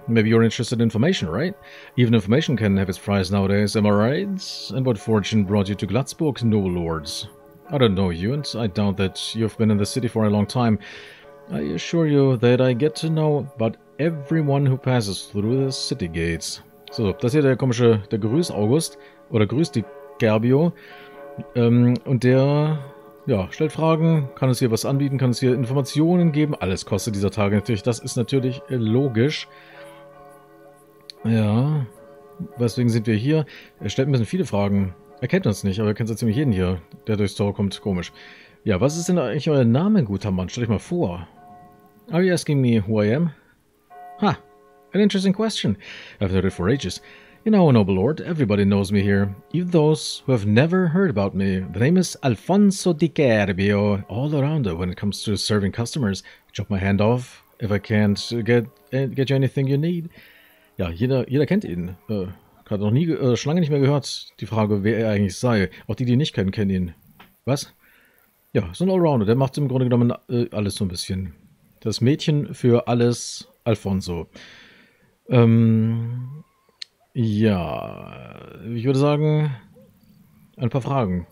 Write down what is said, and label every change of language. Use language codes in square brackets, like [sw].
[en] Maybe you're interested in information, right? Even information can have its price nowadays, am I right? And what fortune brought you to Glatzburg, noble lords? I don't know you, and I doubt that you've been in the city for a long time. I assure you that I get to know about everyone who passes through the city gates. [de] So, das hier der komische, der Grüß August, oder Grüß die Cherbio. Und der, ja, stellt Fragen, kann es hier was anbieten, kann es hier Informationen geben. Alles kostet dieser Tage natürlich, das ist natürlich logisch. Ja, weswegen sind wir hier? Er stellt ein bisschen viele Fragen. Er kennt uns nicht, aber er kennt so ziemlich jeden hier, der durchs Tor kommt. Komisch. Ja, was ist denn eigentlich euer Name, guter Mann? Stell dich mal vor. [en] Are you asking me who I am? Ha, an interesting question. I've heard it for ages. You know, noble lord, everybody knows me here. Even those who have never heard about me. The name is Alfonso di Cherbio. All around when it comes to serving customers. Chop my hand off if I can't get you anything you need. [de] Ja, jeder kennt ihn. Hat noch nie, schon lange nicht mehr gehört, die Frage, wer er eigentlich sei. Auch die, die ihn nicht kennen, kennen ihn. Was? Ja, so ein Allrounder, der macht im Grunde genommen alles so ein bisschen. Das Mädchen für alles, Alfonso. Ja, ich würde sagen, ein paar Fragen.